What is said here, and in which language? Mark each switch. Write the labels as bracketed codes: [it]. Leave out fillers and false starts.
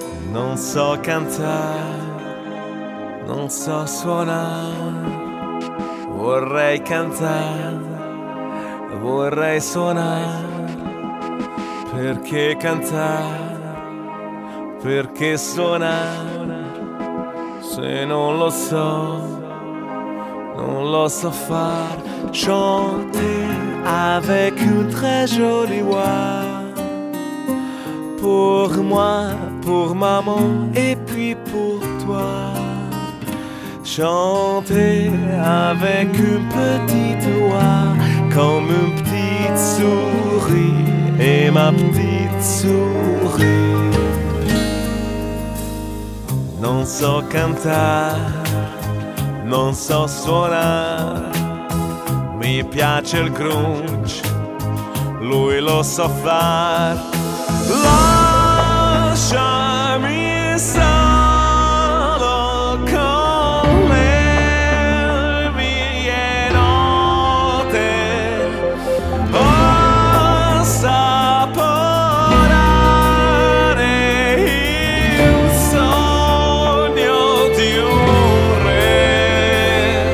[it] non so cantare, non so suonare. Vorrei cantare, vorrei suonare. Perché cantare, perché suonare? Se non lo so, non lo so far. [fr] Chanter avec une très jolie voix, pour moi, pour maman et puis pour toi. Chanter avec une petite voix, comme une petite souris et ma petite souris. [it] Non so cantare, non so suonare. Mi piace il grunge, lui lo sa far. Lasciami solo con le mie note, ho assaporare il sogno di un re.